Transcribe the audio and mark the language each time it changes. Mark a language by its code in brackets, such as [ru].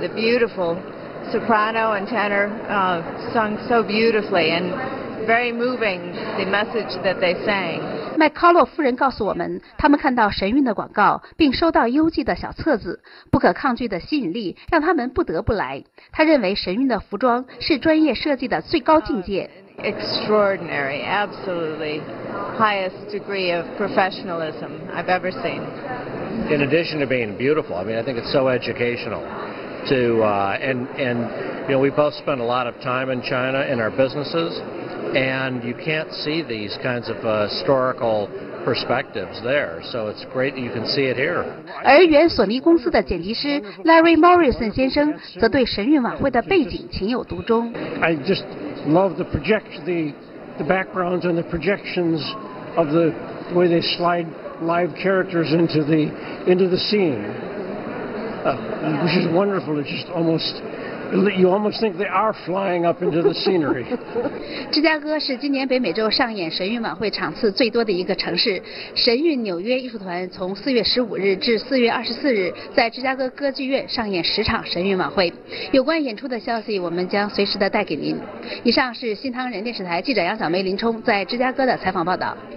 [en] The beautiful soprano and tenor, sung so beautifully and very moving, the message that they sang. [zh] 麦考洛夫人告诉我们，他们看到神韵的广告，并收到邮寄的小册子，不可抗拒的吸引力让他们不得不来。他认为神韵的服装是专业设计的最高境界。 [en] Extraordinary, absolutely highest degree of professionalism I've ever seen. In addition to being beautiful, I mean, I think it's so educational. And you know, we both spend a lot of time in China in our businesses. And you can't see these kinds of historical perspectives there, so it's great that you can see it here. [zh] 而原索尼公司的剪辑师 Larry Morrison 先生则对神韵晚会的背景情有独钟。 [en] I just love the backgrounds and the projections of the way they slide live characters into the scene, which is wonderful. It's just almost. You almost think they are flying up into the scenery. [zh] 芝加哥是今年北美洲上演神韵晚会场次最多的一个城市。神韵纽约艺术团从4月15日至4月24日在芝加哥歌剧院上演十场神韵晚会。有关演出的消息我们将随时的带给您。以上是新唐人电视台记者杨小梅林冲在芝加哥的采访报道。